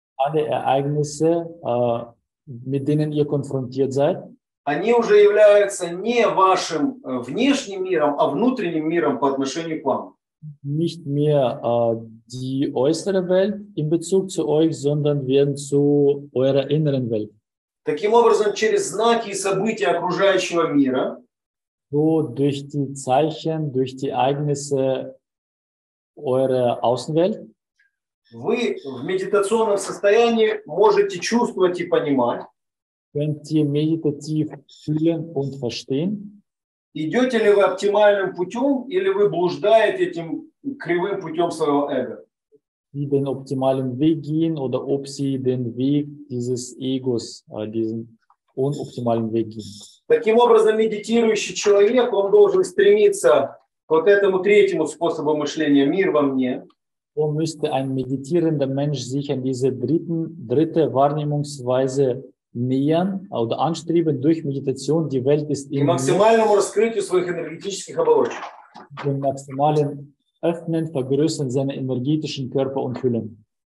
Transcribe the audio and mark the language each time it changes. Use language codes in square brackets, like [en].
[de] alle Ereignisse, mit denen ihr konfrontiert seid, [ru] они уже являются не вашим внешним миром, а внутренним миром по отношению к вам. [de] Nicht mehr die äußere Welt in Bezug zu euch, sondern werden zu eurer inneren Welt. [ru] Таким образом, через знаки и события окружающего мира, [de] so durch die Zeichen, durch die Ereignisse eurer Außenwelt, [ru] вы в медитационном состоянии можете чувствовать и понимать, [de] könnt ihr meditativ fühlen und verstehen? [ru] Идете ли вы оптимальным путем или вы блуждаете этим кривым путем своего эго? [de] Wie den optimalen Weg gehen oder ob sie den Weg dieses Egos, diesen unoptimalen Weg gehen? [ru] Таким образом, медитирующий человек, он должен стремиться к вот этому третьему способу мышления «мир во мне». [de] So müsste ein meditierender Mensch sich an diese dritte Wahrnehmungsweise nähern oder anstreben durch Meditation, die Welt ist in mir. Den maximalen Öffnen, Vergrößern seiner energetischen Körper und Hüllen.